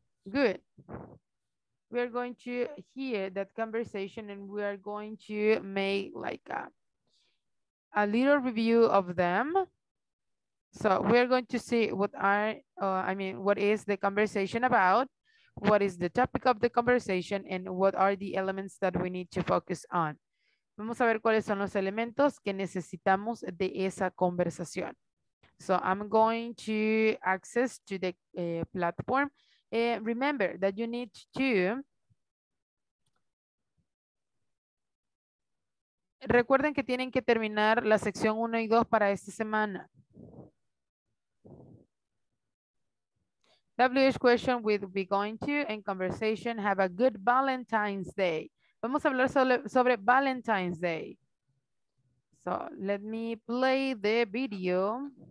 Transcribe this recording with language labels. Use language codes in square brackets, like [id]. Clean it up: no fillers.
[en] Good. We are going to hear that conversation and we are going to make like a little review of them. So we're going to see what is the conversation about, what is the topic of the conversation, and what are the elements that we need to focus on. [es] Vamos a ver cuáles son los elementos que necesitamos de esa conversación. [en] So I'm going to access to the platform. Remember that you need to... [es] Recuerden que tienen que terminar la sección 1 y 2 para esta semana. [en] WH question with be going to and conversation have a good Valentine's Day. [es] Vamos a hablar sobre Valentine's Day. [en] So let me play the video.